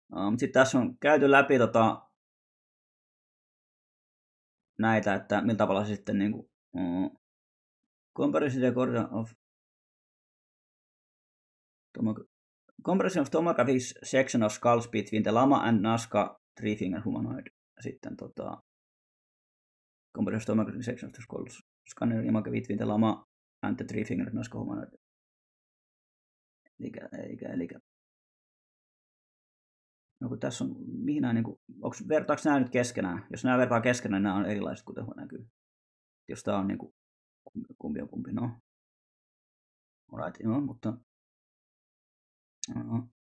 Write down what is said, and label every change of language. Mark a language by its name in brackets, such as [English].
[Finnish] Sitten tässä on käyty läpi näitä, että millä tavalla se sitten niinku [English] comparison of tomographic section of skulls between the llama and Nazca three finger humanoid. [Finnish] Sitten [English] comparison of tomographic section of the skulls scanner image between the llama and the three finger Nazca humanoid. [Finnish] Eikä. No kun tässä on, mihin nämä, niin kuin, vertaako nämä nyt keskenään? Jos nämä vertaa keskenään, nämä on erilaiset, kuten hän näkyy. Jos tämä on niin kuin, kumpi on kumpi, no. Alright, joo, no, mutta. No.